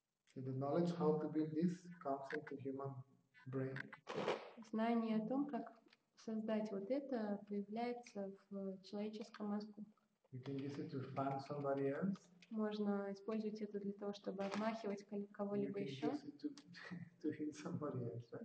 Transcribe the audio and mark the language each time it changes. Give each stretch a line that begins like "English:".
English: So the knowledge how to build this comes into human brain.
Russian: Знание о том, как создать вот это, появляется в человеческом мозгу.
English: You can use it to find somebody else.
Russian: Можно использовать это для того, чтобы обмахивать кого-либо еще.
English: You can use it to hit somebody else, right?